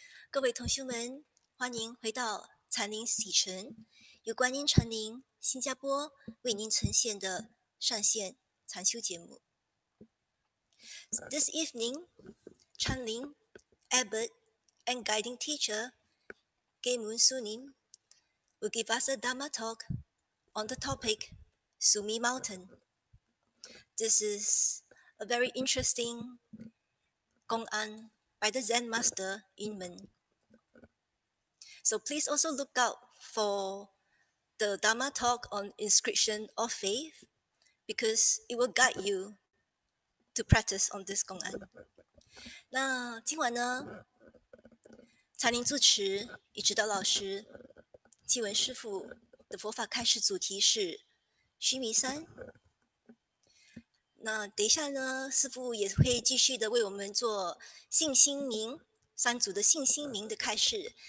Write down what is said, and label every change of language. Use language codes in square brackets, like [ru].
[zh] 各位同修们，欢迎回到禅林启程，由观音禅林新加坡为您呈现的上线禅修节目。 [en] This evening, Chanting Abbot and Guiding Teacher Gye Mun Sunim will give us a Dharma talk on the topic Sumi Mountain. This is a very interesting Gong'an by the Zen Master Yinmen. So please also look out for the Dharma talk on Inscription of Faith, because it will guide you to practice on this Gong'an. [zh] 那今晚呢，禅林住持与指导老师纪文师父的佛法开示主题是须弥山。那等一下呢，师父也会继续的为我们做信心明三组的信心明的开示。